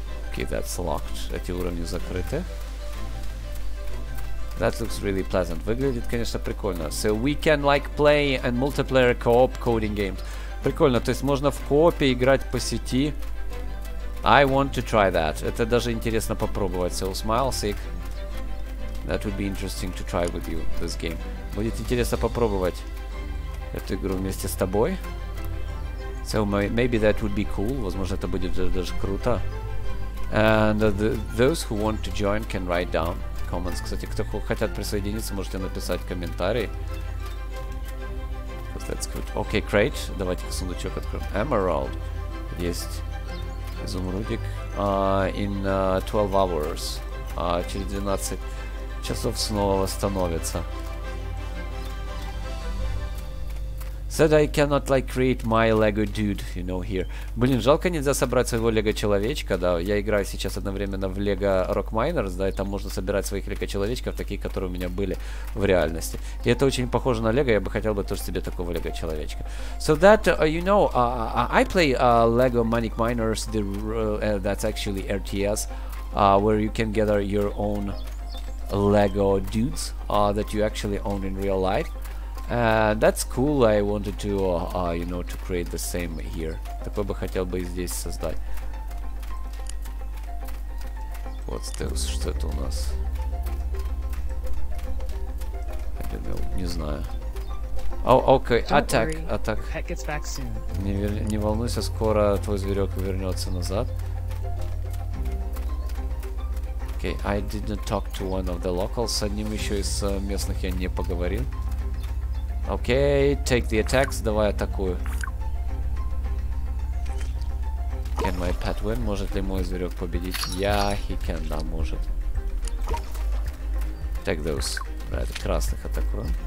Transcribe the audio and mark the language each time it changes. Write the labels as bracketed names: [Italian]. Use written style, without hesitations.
[English] Okay, that's locked. [Russian] Эти уровни закрыты. [English] That looks really pleasant. [Russian] Выглядит, конечно, прикольно. [English] So we can like play and multiplayer co-op coding games. [Russian] Прикольно, то есть можно в коопе играть по сети. [English] I want to try that. [Russian] Это даже интересно попробовать. [English] So, Smilesick, that would be interesting to try with you this game. [Russian] Будет интересно попробовать эту игру вместе с тобой. [English] So, maybe that would be cool. [Russian] Возможно, это будет даже круто. [English] And those who want to join can write down comments. [Russian] Кстати, кто хотят присоединиться, можете написать комментарий. [English] That's good. Okay, great. [Russian] Давайте-ка сундучок откроем. Emerald. Есть изумрудик. [English] In 12 hours. [Russian] Через 12 часов снова восстановится. [English] Said I cannot, like, create my Lego dude, you know, here. [Russian] Блин, жалко, нельзя собрать своего Лего-человечка, да. Я играю сейчас одновременно в Lego Rock Miners, да, и там можно собирать своих Лего-человечков, такие, которые у меня были в реальности. И это очень похоже на Лего, я бы хотел бы тоже себе такого Лего-человечка. [English] So that, you know, I play Lego Manic Miners, the, that's actually RTS, where you can gather your own Lego dudes that you actually own in real life. That's cool. I wanted to, you know, to create the same here. [Russian] Такой бы хотел бы и здесь создать. Вот стелс, что это у нас? Не знаю. Окей, атак, атак. Не волнуйся, скоро твой зверек вернется назад. [English] Окей, okay, I didn't talk to one of the locals. [Russian] С одним еще из местных я не поговорил. [English] Окей, take the attacks, [Russian] давай атакую. [English] Can my pet win? [Russian] Может ли мой зверек победить? [English] Yeah, he can, [Russian] да, может. [English] Take those. Right, [Russian] красных атакую.